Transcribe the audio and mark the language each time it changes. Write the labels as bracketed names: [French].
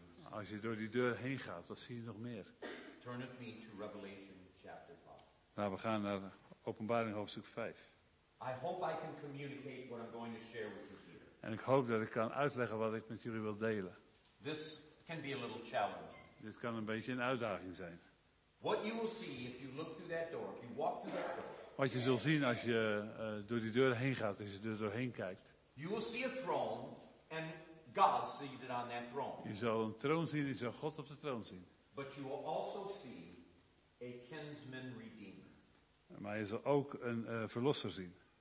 [Dutch] Als je door die deur heen gaat, wat zie je nog meer? [English] Turn with me to Revelation chapter 5. [Dutch] Nou, we gaan naar Openbaring hoofdstuk 5. [English] I hope I can communicate what I'm going to share with you. [Dutch] En ik hoop dat ik kan uitleggen wat ik met jullie wil delen. [English] This can be a little challenging. [Dutch] Dit kan een beetje een uitdaging zijn. [English] What you will see if you look through that door, if you walk through that door. [Dutch] Wat je zult zien als je door die deur heen gaat, als je er doorheen kijkt. [English] You will see a throne and God seated on that throne. [Dutch] Je zal een troon zien, je zal God op de troon zien. [English] But you will also see a kinsman redeemer. [Dutch] Maar je zal ook een verlosser zien.